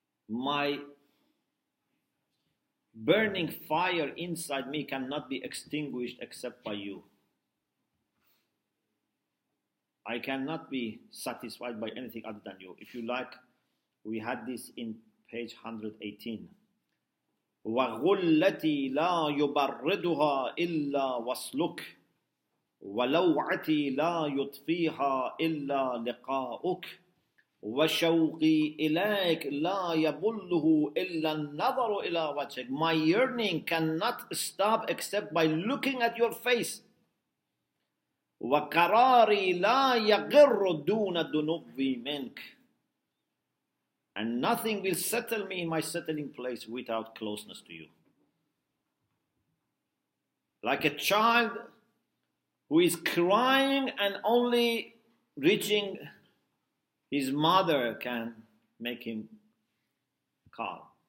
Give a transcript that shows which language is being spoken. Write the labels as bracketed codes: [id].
[en] My burning fire inside me cannot be extinguished except by you. I cannot be satisfied by anything other than you. If you like, we had this in page 118. [ar] وغلتي لا يبردها إلا وصلك ولوعتي لا يطفيها إلا لقاؤك وشوقي إليك لا يبله إلا النظر إلى وجهك. [en] My yearning cannot stop except by looking at your face. [ar] وقراري لا يغر دون دنوبي منك. [en] And nothing will settle me in my settling place without closeness to you. Like a child who is crying and only reaching his mother can make him calm.